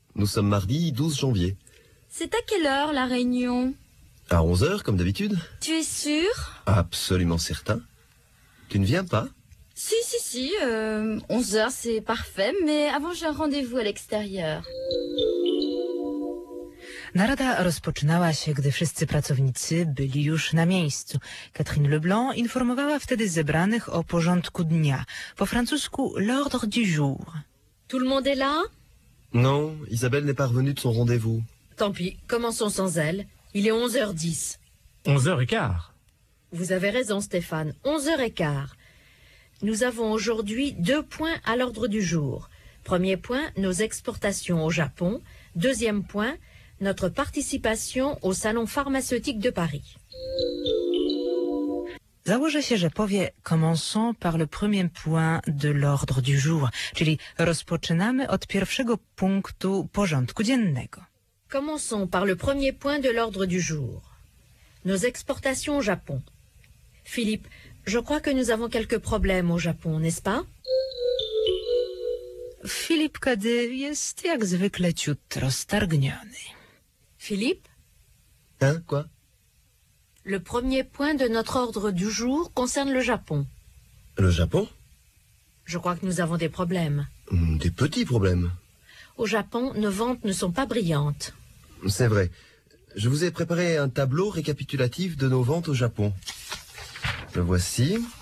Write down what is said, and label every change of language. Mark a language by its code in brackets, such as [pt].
[fr] Nous sommes mardi 12 janvier. C'est à quelle heure la réunion ? À 11h, comme d'habitude. Tu es sûr ? Absolument certain. Tu ne viens pas ? Si. 11h, c'est parfait, mais avant j'ai un rendez-vous à l'extérieur. [pl] Narada rozpoczynała się, gdy wszyscy pracownicy byli już na miejscu. Catherine Leblanc informowała wtedy zebranych o porządku dnia. Po francusku, l'ordre du jour. [fr] Tout le monde est là? Non, Isabelle n'est pas revenue de son rendez-vous. Tant pis, commençons sans elle. Il est 11h10. 11h15. Vous avez raison, Stéphane. 11h15. Nous avons aujourd'hui deux points à l'ordre du jour. Premier point, nos exportations au Japon. Deuxième point, notre participation au salon pharmaceutique de Paris. [pl] Założę się, że powie [fr] commençons par le premier point de l'ordre du jour, [pl] czyli rozpoczynamy od pierwszego punktu porządku dziennego. [fr] Commençons par le premier point de l'ordre du jour. Nos exportations au Japon. Philippe, je crois que nous avons quelques problèmes au Japon, n'est-ce pas? [pl] Philippe Cadet jest jak zwykle ciutro stargniony. [fr] Philippe? Hein, quoi? Le premier point de notre ordre du jour concerne le Japon. Le Japon? Je crois que nous avons des problèmes. Des petits problèmes. Au Japon, nos ventes ne sont pas brillantes. C'est vrai. Je vous ai préparé un tableau récapitulatif de nos ventes au Japon. Le voici.